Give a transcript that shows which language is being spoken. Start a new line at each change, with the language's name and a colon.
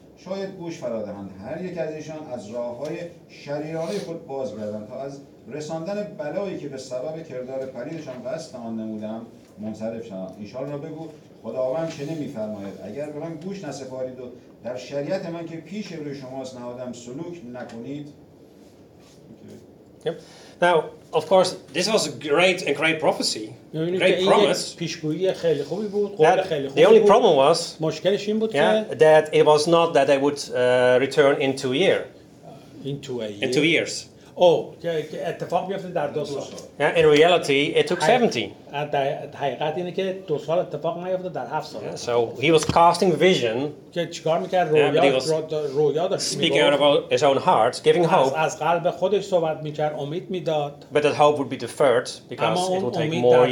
Persian: شاید گوش فرا دهند. هر یک از ایشان از راه‌های شریرانه خود باز گردند تا از رساندن بلایی که به سبب کردار پریدشان قصد آن نمودم منصرف شوند. ایشان را بگو خداوند چنین می‌فرماید: اگر به من گوش نسپارید و در شریعت من که پیش روی شماست نهادم سلوک نکنید.
English: Now, of course, this was a great and great prophecy. Great promise.
Persian: پیشگویی خیلی خوبی بود. قول خیلی خوب.
English: The only problem was
Persian: مشکلش این بود که
English: that it was not that they would return in 2 year. In 2 years.
Persian: Oh, yeah, اتفاق میفته در 2 سال.
English: Yeah, in reality, it took 17.
Persian: حقیقت اینه که 2 سال اتفاق نیفته در 7 سال.
English: So he was casting vision.
Persian: که چیکار میکرد؟ رویا داشت.
English: Speaking out of his own heart, giving hope.
Persian: از قلب خودش صحبت میکرد، امید میداد.
English: But that hope would be deferred because it will take more years.